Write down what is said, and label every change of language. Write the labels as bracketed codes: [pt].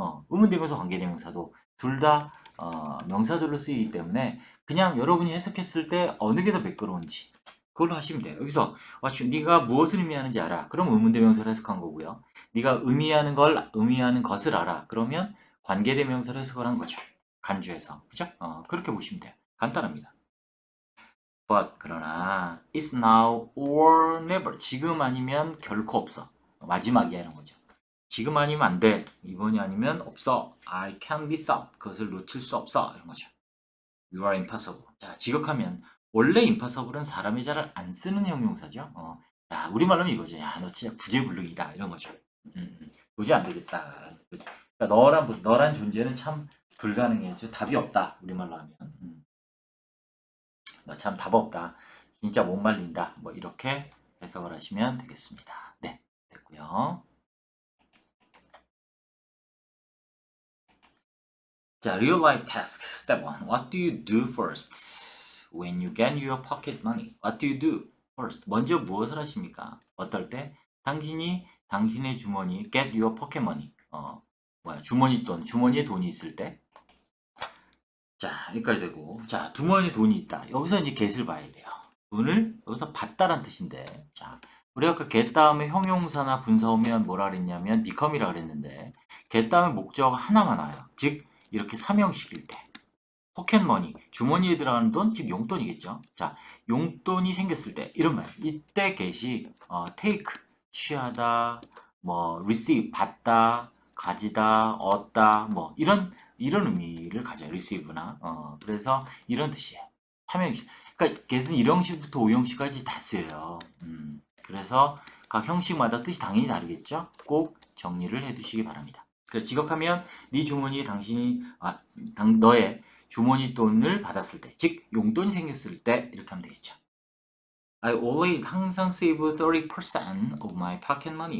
[ko] 의문대명사, 관계대명사도 둘 다, 명사절로 쓰이기 때문에 그냥 여러분이 해석했을 때 어느 게더 매끄러운지 그걸로 하시면 돼요. 여기서, 네가 무엇을 의미하는지 알아. 그럼 의문대명사를 해석한 거고요. 네가 의미하는 걸, 의미하는 것을 알아. 그러면 관계대명사를 해석을 한 거죠. 간주해서. 그죠? 그렇게 보시면 돼요. 간단합니다. [en] But, [ko] 그러나, [en] it's now or never. [ko] 지금 아니면 결코 없어. 마지막이야, 이런 거죠. 지금 아니면 안 돼. 이번이 아니면 없어. [en] I can't be stopped. [ko] 그것을 놓칠 수 없어. 이런 거죠. [en] You are impossible. [ko] 자, 직역하면, 원래 impossible은 사람이 잘안 쓰는 형용사죠. 자, 우리말로는 이거죠. 야, 너 진짜 부재불능이다. 이런 거죠. 도저히 안 되겠다. 그러니까 너란 존재는 참 불가능해. 답이 없다. 우리말로 하면. 너참답 없다. 진짜 못 말린다. 뭐, 이렇게 해석을 하시면 되겠습니다. 네. 됐고요. [en] 자, real life task. Step 1. What do you do first when you get your pocket money? What do you do first? [ko] 먼저 무엇을 하십니까? 어떨 때? 당신이 당신의 주머니, [en] get your pocket money. [ko] 뭐야, 주머니 돈, 주머니에 돈이 있을 때? 자, 여기까지 되고. 자, 주머니에 돈이 있다. 여기서 이제 get을 봐야 돼요. 돈을 여기서 받다란 뜻인데. 자, 우리 아까 get 다음에 형용사나 분사 오면 뭐라 그랬냐면 become이라 그랬는데, get 다음에 목적어가 하나만 와요. 즉, 이렇게 삼형식일 때. pocket money. 주머니에 들어가는 돈, 즉 용돈이겠죠. 자, 용돈이 생겼을 때. 이런 말. 이때 get이 take, 취하다, 뭐, receive, 받다, 가지다, 얻다, 뭐, 이런 의미를 가져요. receive나. 그래서 이런 뜻이에요. 삼형식. 그러니까 get은 일형식부터 오형식까지 다 쓰여요. 그래서 각 형식마다 뜻이 당연히 다르겠죠? 꼭 정리를 해 두시기 바랍니다. 그래서 직역하면 네 주머니에 당신이 아, 당 너의 주머니 돈을 받았을 때, 즉 용돈이 생겼을 때 이렇게 하면 되겠죠. [en] I always [ko] 항상 [en] save 30% of my pocket money.